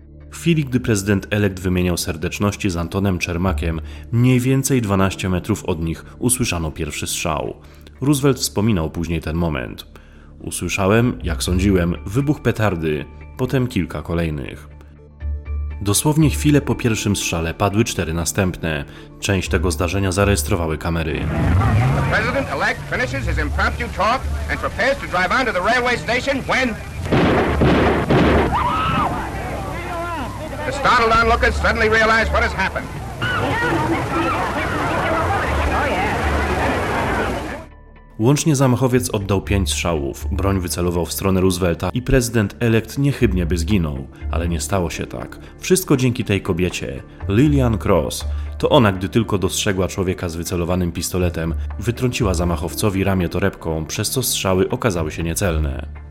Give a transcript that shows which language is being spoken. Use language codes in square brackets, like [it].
[pl] W chwili, gdy prezydent elekt wymieniał serdeczności z Antonem Czermakiem, mniej więcej 12 metrów od nich usłyszano pierwszy strzał. Roosevelt wspominał później ten moment. Usłyszałem, jak sądziłem, wybuch petardy, potem kilka kolejnych. Dosłownie chwilę po pierwszym strzale padły cztery następne. Część tego zdarzenia zarejestrowały kamery. [en] President elect finishes his impromptu talk and prepares to drive onto the railway station when the startled onlookers suddenly realize what has happened. Oh, yeah. [pl] Łącznie zamachowiec oddał 5 strzałów, broń wycelował w stronę Roosevelta i prezydent elekt niechybnie by zginął, ale nie stało się tak. Wszystko dzięki tej kobiecie, Lillian Cross. To ona, gdy tylko dostrzegła człowieka z wycelowanym pistoletem, wytrąciła zamachowcowi ramię torebką, przez co strzały okazały się niecelne.